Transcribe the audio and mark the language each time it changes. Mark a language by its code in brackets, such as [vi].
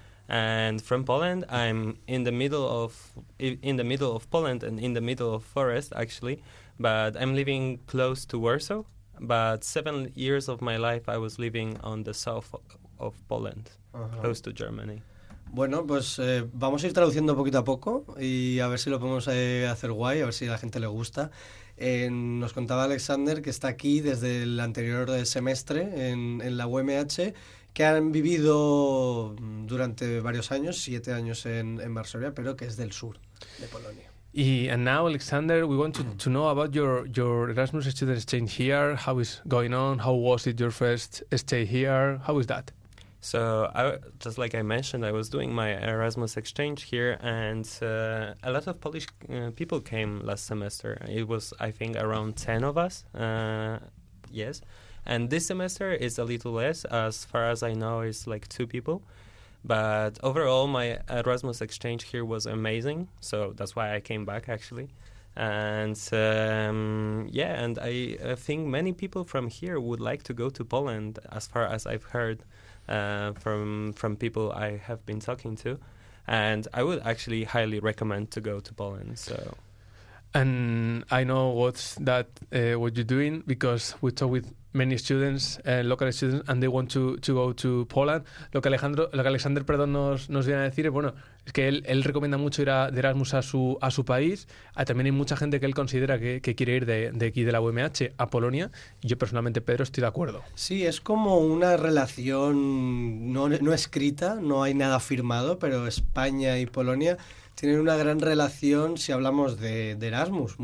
[en] And from Poland, I'm in the middle of Poland and in the middle of forest, actually. But I'm living close to Warsaw. But 7 years of my life, I was living on the south of Poland, close to Germany. [es] Bueno, pues vamos a ir traduciendo poquito a poco y a ver si lo podemos hacer guay, a ver si a la gente le gusta. Nos contaba Alexander que está aquí desde el anterior semestre en la UMH, que han vivido durante varios años, 7 años en Varsovia, pero que es del sur de Polonia. [en] And now, Alexander, we want to know about your Erasmus student exchange here. How is going on? How was it your first stay here? How is that? So, just like I mentioned, I was doing my Erasmus exchange here, and a lot of Polish people came last semester. It was, I think, around 10 of us. Yes. And this semester is a little less. As far as I know, it's like 2 people. But overall, my Erasmus exchange here was amazing. So that's why I came back, actually. And I think many people from here would like to go to Poland, as far as I've heard from people I have been talking to. And I would actually highly recommend to go to Poland. So. And I know what you're doing, because we talk with many students, local students, and they want to go to Poland. [es] Lo que Alexander nos viene a decir es, bueno, es que él recomienda mucho ir de Erasmus a su país. También hay mucha gente que él considera que quiere ir de aquí, de la UMH, a Polonia. Yo personalmente, Pedro, estoy de acuerdo. Sí, es como una relación no escrita, no hay nada firmado, pero España y Polonia tienen una gran relación si hablamos de Erasmus.